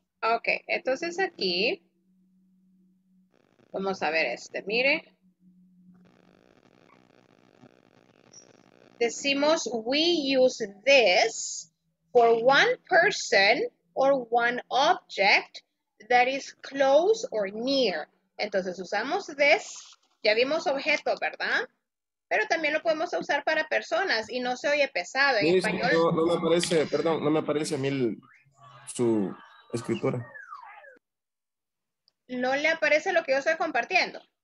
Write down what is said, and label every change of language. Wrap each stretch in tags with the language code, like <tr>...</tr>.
<es>Ok, entonces aquí vamos a ver este, mire. Decimos,</es> <en>we use this for one person or one object that is close or near.</en> <es>Entonces usamos this, ya vimos objeto, ¿verdad? Pero también lo podemos usar para personas y no se oye pesado. En Miss, español... no me aparece, perdón, no me aparece a mí su escritura. ¿No le aparece lo que yo estoy compartiendo?</es>